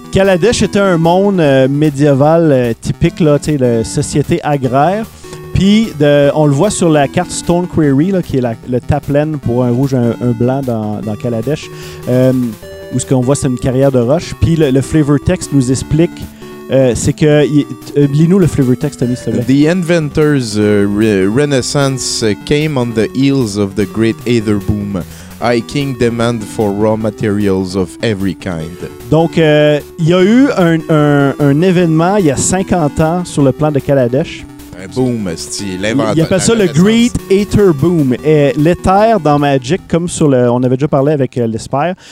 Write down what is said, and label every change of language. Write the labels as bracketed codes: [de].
[fr] Kaladesh était un monde médiéval typique, là, tu sais, la société agraire. Puis, on le voit sur la carte Stone Quarry, là, qui est le tapland pour un rouge, un blanc dans Kaladesh, où ce qu'on voit, c'est une carrière de roche. Puis, le flavor text nous explique... c'est que... lis-nous le flavor text, Tommy, s'il te plaît. [en] The inventor's renaissance came on the heels of the great Aether boom. High king demand for raw materials of every kind. [fr] Donc, il y a eu un événement il y a 50 ans sur le plan de Kaladesh. Un boom, c'est-à-dire l'inventeur. Il appelle ça le great Aether boom. Et l'éther dans Magic, comme sur le... On avait déjà parlé avec l'Espère.